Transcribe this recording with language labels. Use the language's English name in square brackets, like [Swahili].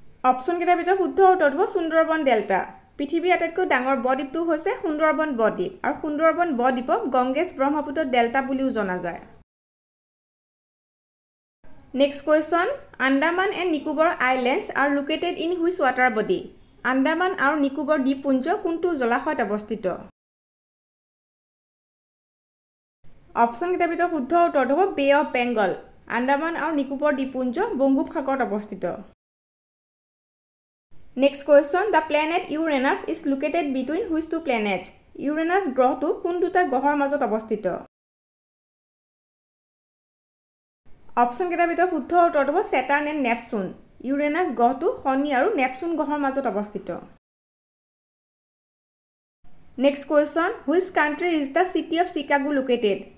[Assamese] অপশ্যনকেইটাৰ ভিতৰত শুদ্ধ উত্তৰটো হ'ব সুন্দৰবন ডেল্টা পৃথিৱীৰ আটাইতকৈ ডাঙৰ বদ্বীপটো হৈছে সুন্দৰবন বদ্বীপ আৰু সুন্দৰবন বদ্বীপক গংগেছ ব্ৰহ্মপুত্ৰ ডেল্টা বুলিও জনা যায় [English] next question Andaman and Nicobar islands are located in which water body [Assamese] Andaman আৰু নিকোবৰ দ্বীপপুঞ্জ কোনটো জলাশয়ত অৱস্থিত? অপশ্যনকেইটাৰ ভিতৰত শুদ্ধ উত্তৰ হ'ব বে অৱ বেংগল। আন্দামান আৰু নিকোবৰ দ্বীপপুঞ্জ বংগোপসাগৰত অৱস্থিত। [English] Next question, the planet Uranus is located between which two planets? [Assamese] Uranus গ্ৰহটো কোন দুটা গ্ৰহৰ মাজত অৱস্থিত? অপশ্যনকেইটাৰ ভিতৰত শুদ্ধ উত্তৰ হ'ব ছেটাৰ্ণ এণ্ড নেপচুন। ইউৰেনাছ গ্ৰহটো শনি আৰু নেপচুন গ্ৰহৰ মাজত অৱস্থিত। [English] Next question, which country is the city of Chicago located?